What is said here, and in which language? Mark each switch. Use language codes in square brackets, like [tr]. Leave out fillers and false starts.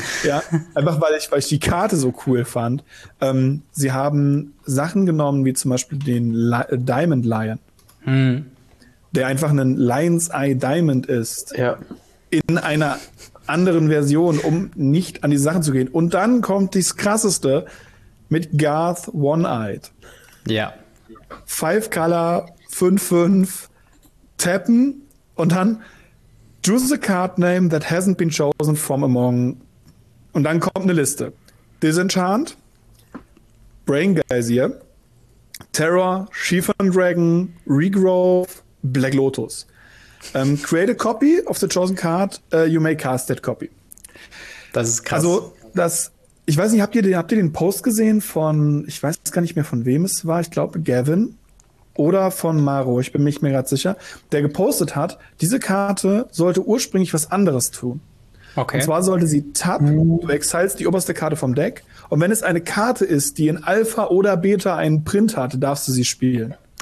[de] Ja, einfach weil ich die Karte so cool fand. Sie haben Sachen genommen, wie zum Beispiel den Diamond Lion, der einfach ein Lion's Eye Diamond ist. Ja. In einer anderen Version, um nicht an die Sachen zu gehen. Und dann kommt das Krasseste mit Garth One-Eyed. Ja. [en] 5-Color, 5-5, [de] tappen und dann [en] choose a card name that hasn't been chosen from among. [de] Und dann kommt eine Liste. [en] Disenchant, Brain Geysir, Terror, Shifan Dragon, Regrowth, Black Lotus. Create a copy of the chosen card, you may cast that copy. [de] Das ist krass. Also, ich weiß nicht, habt ihr den Post gesehen von, ich weiß gar nicht mehr von wem es war, ich glaube Gavin oder von Maro, ich bin mir nicht mehr gerade sicher, der gepostet hat, diese Karte sollte ursprünglich was anderes tun. Okay. Und zwar sollte sie tap, du exilst die oberste Karte vom Deck und wenn es eine Karte ist, die in Alpha oder Beta einen Print hat, darfst du sie spielen.